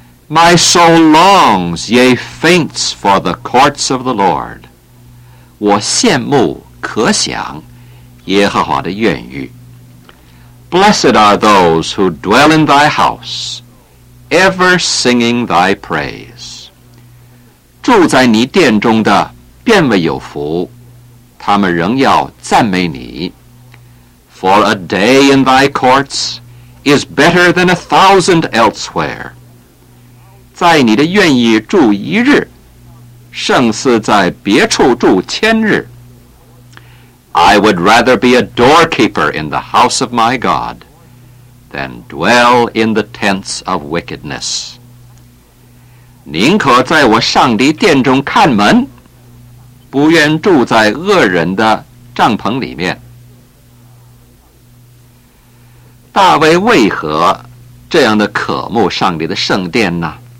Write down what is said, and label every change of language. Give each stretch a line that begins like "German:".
English: My soul longs, yea faints for the courts of the Lord.
Chinese: 我羡慕可想耶和华的院宇。
English: Blessed are those who dwell in thy house, ever singing thy praise.
Chinese: 住在你殿中的便为有福，他们仍要赞美你。
English: For a day in thy courts is better than a thousand elsewhere.
Chinese: 在你的院宇住一日，胜似在别处住千日。
English: I would rather be a doorkeeper in the house of my God than dwell in the tents of wickedness.
Chinese: 宁可在我上帝殿中看门，不愿住在恶人的帐篷里面。大卫为何这样的渴慕上帝的圣殿呢？